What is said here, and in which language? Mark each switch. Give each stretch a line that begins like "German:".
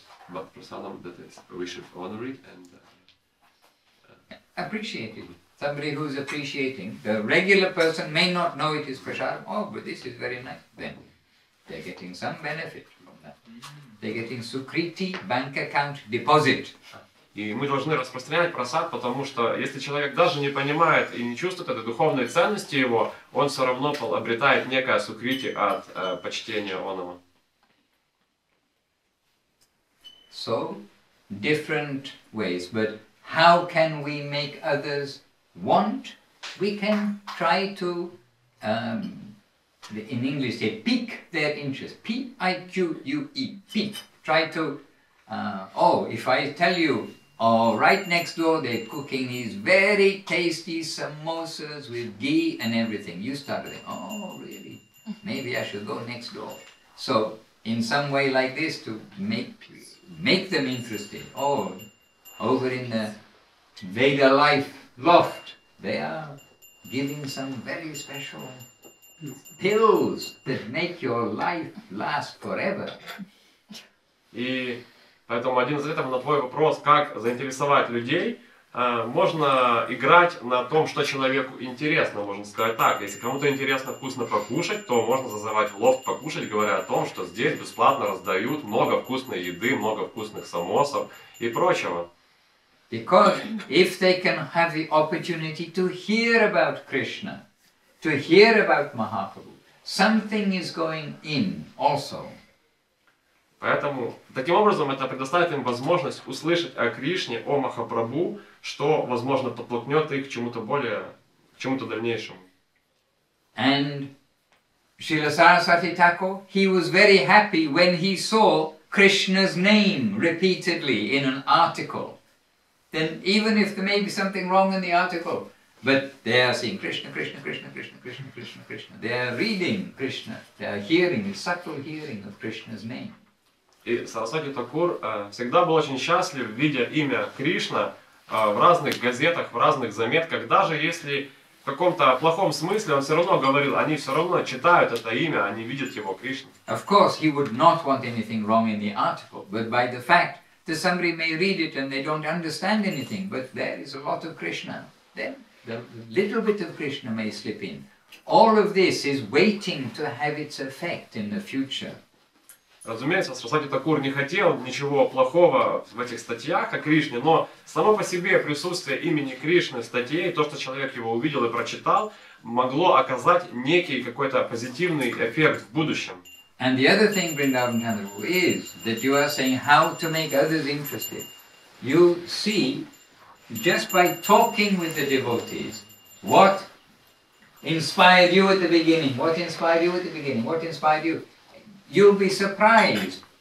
English: But prasadam, that is, we should honor it and appreciated. Somebody who's appreciating, the regular person may not know it is prasadam. Oh, but this is very nice. Then they're getting some benefit from that. They're getting sukriti, bank account deposit.
Russian: И мы должны распространять просад, потому что если человек даже не понимает и не чувствует этой духовной ценности его, он все равно обретает некое сукрити от почтения оному.
English: So, different ways, but how can we make others want? We can try to, in English say, pique their interest. P-I-Q-U-E, pique. Try to, if I tell you, oh, right next door, they're cooking these very tasty samosas with ghee and everything. You start with, oh, really? Maybe I should go next door. So, in some way like this, to make them interested. Oh, over in the Veda Life loft, they are giving some very special pills that make your life last forever.
Russian: Поэтому один из ответов на твой вопрос, как заинтересовать людей, можно играть на том, что человеку интересно. Можно сказать так, если кому-то интересно вкусно покушать, то можно зазывать в лофт покушать, говоря о том, что здесь бесплатно раздают много вкусной еды, много вкусных самосов и прочего.
English: Because if they can have the opportunity to hear about Krishna, to hear about Mahaprabhu, something is going in also.
Russian: Поэтому, таким образом, это предоставит им возможность услышать о Кришне, о Махапрабху, что, возможно, подтолкнет их к чему-то более, к чему-то дальнейшему.
English: And Srila Sarasvati Thakur, he was very happy when he saw Krishna's name repeatedly in an article. Then, even if there may be something wrong in the article, but they are seeing Krishna, Krishna, Krishna, Krishna, Krishna, Krishna, Krishna. They are reading Krishna, they are hearing, the subtle hearing of Krishna's name.
Russian: И Сарасвати Такур всегда был очень счастлив, видя имя Кришна в разных газетах, в разных заметках. Даже если в каком-то плохом смысле он все равно говорил, они все равно читают это имя, они видят его Кришну.
English: Of course, he would not want anything wrong in the article, but by the fact that somebody may read it and they don't understand anything, but there is a lot of Krishna. Then the little bit of Krishna may slip in. All of this is waiting to have its effect in the future.
Russian: Разумеется, Сарасвати Такур не хотел ничего плохого в этих статьях о Кришне, но само по себе присутствие имени Кришны в статье, то, что человек его увидел и прочитал, могло оказать некий какой-то позитивный эффект в будущем.
English: And the other thing, Vrindavan Chandra, is that you are saying how to make others interested. You see, just by talking with the devotees, what inspired you at the beginning? What inspired you at the beginning? What inspired you? You'll be surprised.